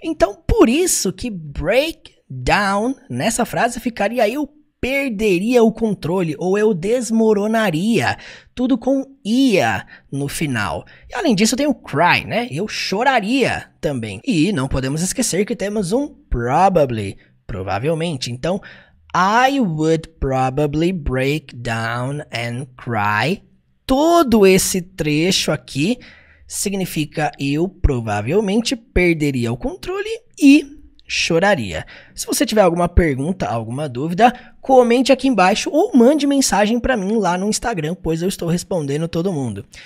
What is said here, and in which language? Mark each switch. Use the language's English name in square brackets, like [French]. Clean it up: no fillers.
[Portuguese] Então, por isso que breakdown nessa frase ficaria eu perderia o controle ou eu desmoronaria, tudo com ia no final. E além disso tem o cry, né? Eu choraria também. E não podemos esquecer que temos um probably, provavelmente. [English] Então, I would probably break down and cry. [Portuguese] Todo esse trecho aqui significa eu provavelmente perderia o controle e choraria. Se você tiver alguma pergunta, alguma dúvida, comente aqui embaixo ou mande mensagem para mim lá no Instagram, pois eu estou respondendo todo mundo.